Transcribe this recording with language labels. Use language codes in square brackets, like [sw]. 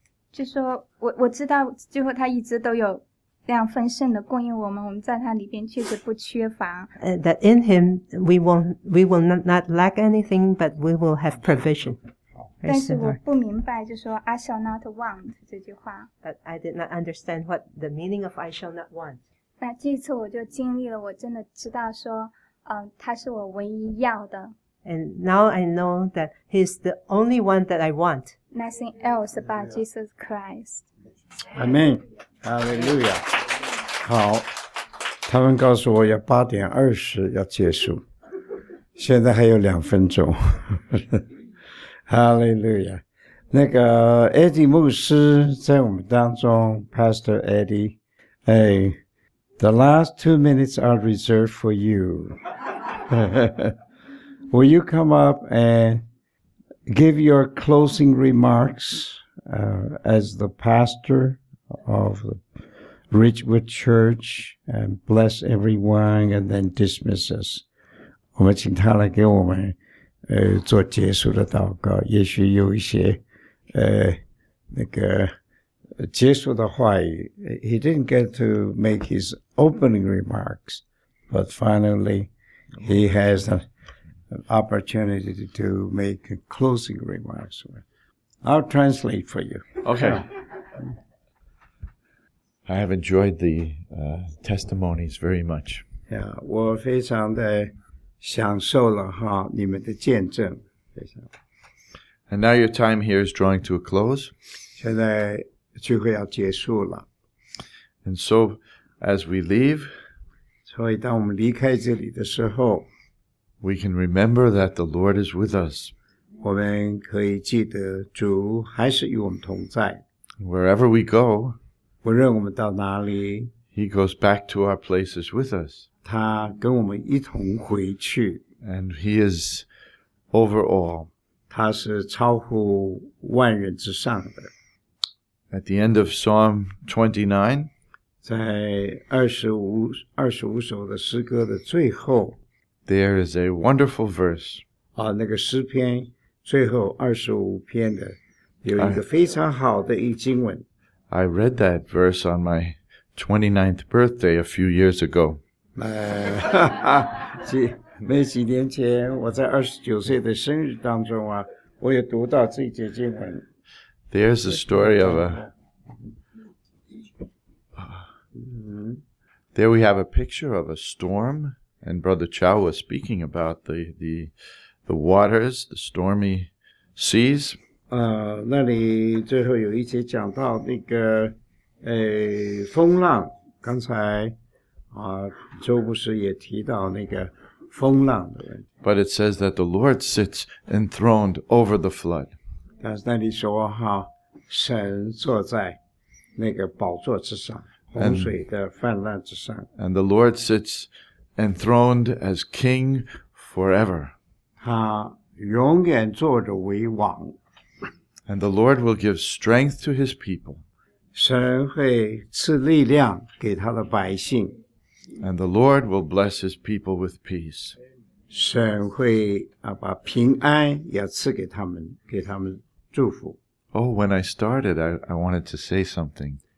[zh] 就说我知道最后他一直都有那样丰盛的供应我们，我们在他里边确实不缺乏。 [en] That in him we will not lack anything, but we will have provision. [zh] 但是我不明白就说 [en] I shall not want [zh] 这句话。 [en] But I did not understand what the meaning of I shall not want. [zh] 那这一次我就经历了，我真的知道说，他是我唯一要的。 [en] And now I know that he's the only one that I want. Nothing else but Jesus Christ. Amen. Hallelujah. [zh] 好，他们告诉我要8:20要结束，现在还有两分钟。 [en] Hallelujah. [zh] 那个 Eddie 牧师在我们当中 ，Pastor Eddie， 哎。 [en] The last 2 minutes are reserved for you. Will you come up and give your closing remarks, as the pastor of Ridgewood Church and bless everyone and then dismiss us? [zh] 我们请他来给我们做结束的祷告，也许有一些那个结束的话语。 [en] He didn't get to make his opening remarks, but finally he has an opportunity to make closing remarks. I'll translate for you. Okay. I have enjoyed the testimonies very much. [zh] Yeah, 我非常的享受了哈你们的见证。 [en] And now your time here is drawing to a close. [zh] 现在聚会要结束了。 [en] And so, as we leave, [zh] 所以当我们离开这里的时候， [en] we can remember that the Lord is with us. [zh] 我们可以记得主还是与我们同在。 [en] Wherever we go, [zh] 无论我们到哪里， [en] He goes back to our places with us. [zh] 他跟我们一同回去。 [en] And He is over all. [zh] 他是超乎万人之上的。 [en] At the end of Psalm 29, [zh] 在25首的诗歌的最后， [en] there is a wonderful verse. [zh] 那个诗篇最后25篇的有一个非常好的一经文。 [en] I read that verse on my 29th birthday a few years ago. [zh] 那几年前我在29岁的生日当中啊，我也读到这节经文。 [en] There's a story of a... There we have a picture of a storm, and Brother Chow was speaking about the waters, the stormy seas. [zh] 那里最后有一节讲到那个风浪，刚才周牧师也提到那个风浪的问题。 [en] But it says that the Lord sits enthroned over the flood. [zh] 但是那里说哈，神坐在那个宝座之上，洪水的泛滥之上。 [en] And the Lord sits enthroned as king forever. [zh] 他永远坐着为王。 [en] And the Lord will give strength to his people. [zh] 神会赐力量给他的百姓。 [en] And the Lord will bless his people with peace. [zh] 神会把平安也赐给他们，给他们祝福。 [en] Oh, when I started, I wanted to say something.